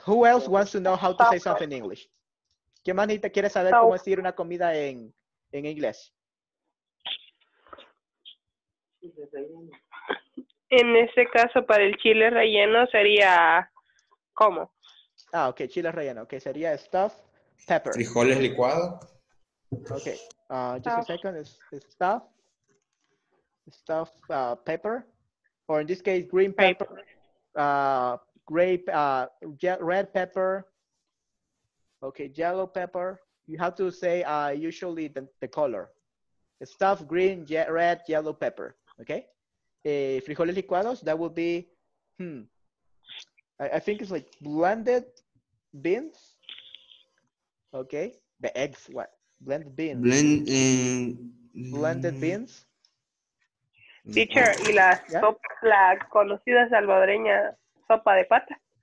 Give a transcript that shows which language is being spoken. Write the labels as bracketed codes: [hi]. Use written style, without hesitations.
[en] Who else wants to know how to say something in English? [es] ¿Qué manita quiere saber cómo decir una comida en inglés? En ese caso, para el chile relleno sería ¿cómo? Ah, okay, chile relleno. Okay, sería stuffed. Pepper. Frijoles licuados. [en] Okay. Just a second. It's stuffed pepper. Or in this case, green pepper. Red pepper. Okay. Yellow pepper. You have to say usually the color. Stuffed green, red, yellow pepper. Okay. Frijoles licuados. That would be, I think it's like blended beans. Okay, the eggs, what? Blend beans. Blended beans. [es] Teacher, ¿y la sopa, la conocida salvadoreña sopa de pata?